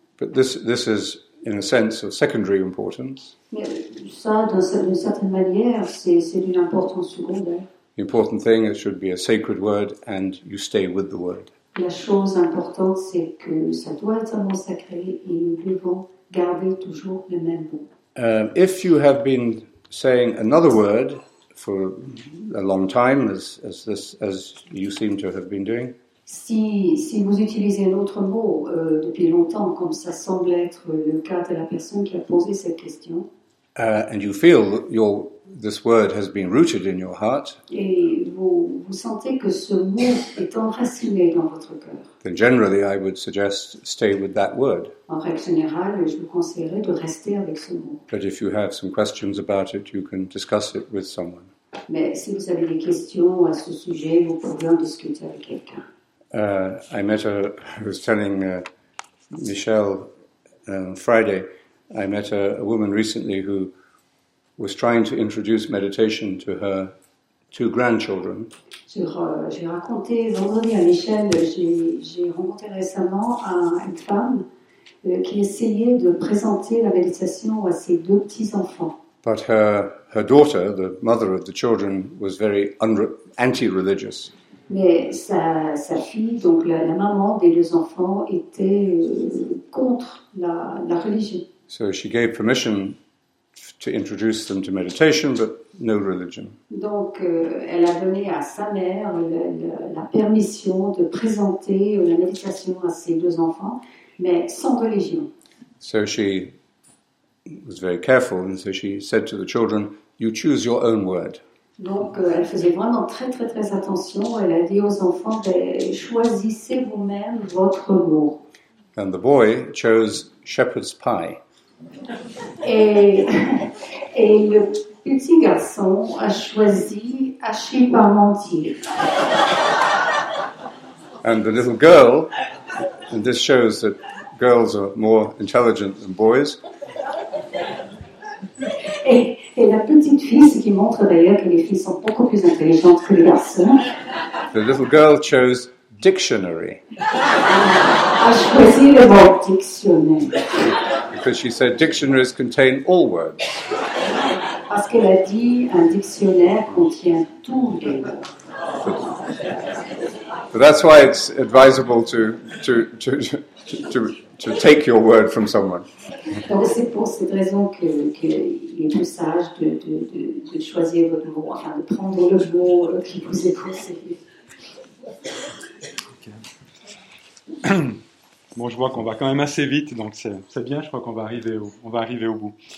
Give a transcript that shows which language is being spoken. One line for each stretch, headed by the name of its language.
English: But this is in a sense of secondary importance.
French: Mais ça, d'une certaine manière, c'est d'une importance secondaire.
English: The important thing is it should be a sacred word and you stay with the word.
French: La chose importante, c'est que ça doit être un mot sacré et nous devons garder toujours le même mot.
English: If you have been saying another word for a long time, as you seem to have been doing,
French: si vous utilisez un autre mot depuis longtemps, comme ça semble être le cas de la personne qui a posé cette question,
English: And you feel that this word has been rooted in your heart.
French: Et vous sentez que ce mot est enraciné dans votre cœur.
English: Then generally, I would suggest stay with that word.
French: En règle générale, je vous conseillerais de rester avec ce mot.
English: But if you have some questions about it, you can discuss it with someone.
French: Mais si vous avez des questions à ce sujet, vous pouvez en discuter avec quelqu'un.
English: I was telling Michelle Friday. I met a woman recently who was trying to introduce meditation to her two grandchildren.
French: J'ai raconté vendredi à Michel, j'ai rencontré récemment une femme qui essayait de présenter la méditation à ses deux petits-enfants.
English: But her daughter, the mother of the children, was very anti-religious.
French: Mais sa fille, donc la maman des deux enfants, était contre la religion.
English: So she gave permission to introduce them to meditation, but no religion.
French: Donc, elle a donné à sa mère la permission de présenter la méditation à ses deux enfants, mais sans religion.
English: So she was very careful, and so she said to the children, "You choose your own word."
French: Donc, elle faisait vraiment très très très attention. Elle a dit aux enfants, choisissez vous-même votre mot.
English: And the boy chose shepherd's pie.
French: Et le petit garçon a choisi haché parmentier.
English: And the little girl, and this shows that girls are more intelligent than boys.
French: Et la petite fille, ce qui montre d'ailleurs que les filles sont beaucoup plus intelligentes que les garçons.
English: The little girl chose dictionary.
French: A choisi le mot dictionnaire.
English: Because she said dictionaries contain all words.
French: Parce qu'elle a dit un dictionnaire contient tous les mots.
English: But that's why it's advisable to take your word from someone.
French: Donc c'est pour cette raison que il est plus sage de choisir votre mot, enfin de prendre le mot qui vous est conseillé. Bon, je vois qu'on va quand même assez vite, donc c'est bien, je crois qu'on va arriver au bout.